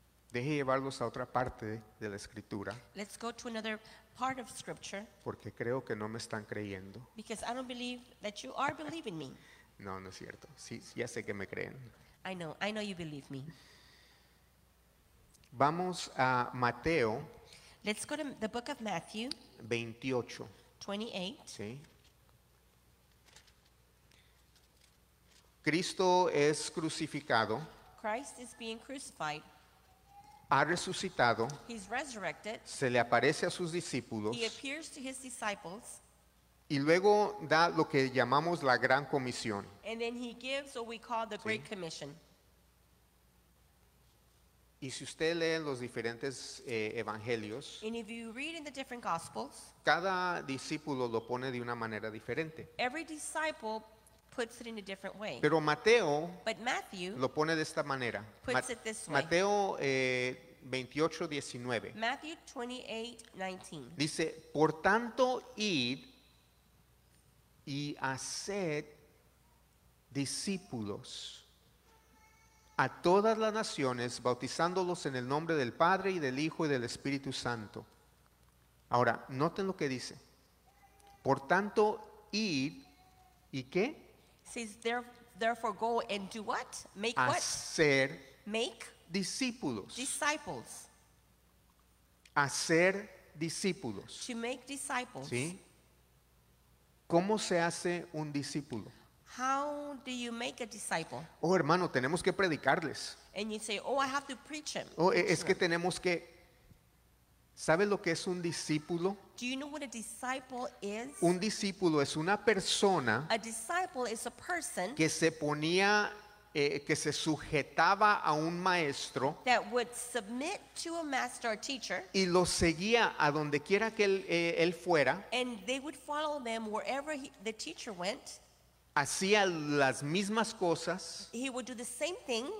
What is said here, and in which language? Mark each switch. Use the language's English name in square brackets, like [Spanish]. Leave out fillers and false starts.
[Spanish] Deje llevarlos a otra parte de la escritura. [English] Let's go to another part of scripture. [Spanish] Porque creo que no me están creyendo. [English] Because I don't believe that you are believing me. [Spanish] No, no es cierto. Sí, ya sé que me creen. [English] I know you believe me. [Spanish] Vamos a Mateo. [English] Let's go to the book of Matthew. [Spanish] 28. [English] 28. [Spanish] Sí. Cristo es crucificado. [English] Christ is being crucified. [Spanish] Ha resucitado. [English] He's resurrected. [Spanish] Se le aparece a sus discípulos. [English] He appears to his disciples. [Spanish] Y luego da lo que llamamos la gran comisión. [English] And then he gives what we call the Great Commission. [Spanish] Y si usted lee los diferentes evangelios, [English] and if you read in the different gospels, [Spanish] cada discípulo lo pone de una manera diferente. [English] Every disciple puts it in a different way. [Spanish] Pero Mateo, [English] but Matthew, [Spanish] lo pone de esta manera. [English] Puts it this way. [Spanish] Mateo 28:19. [English] Matthew 28:19. [Spanish] Dice, por tanto, id y haced discípulos a todas las naciones, bautizándolos en el nombre del Padre y del Hijo y del Espíritu Santo. Ahora, noten lo que dice. Por tanto, id y qué? [English] Says therefore go and do what? Make [Spanish] hacer [English] what? [Spanish] Hacer [English] make [Spanish] discípulos. [English] Disciples. [Spanish] Hacer discípulos. [English] To make disciples. [Spanish] ¿Sí? ¿Cómo se hace un discípulo? [English] How do you make a disciple? [Spanish] Oh, hermano, tenemos que predicarles. [English] And you say, oh, I have to preach him. [Spanish] Oh, es que tenemos que. ¿Sabe lo que es un discípulo? [English] Do you know what a disciple is? [Spanish] Un discípulo es una persona. [English] A disciple is a person [Spanish] que se ponía, que se sujetaba a un maestro. [English] That would submit to a master or teacher. [Spanish] Y lo seguía a donde quiera que él fuera. [English] And they would follow them wherever the teacher went. [Spanish] Hacía las mismas cosas. [English] He would do the same things.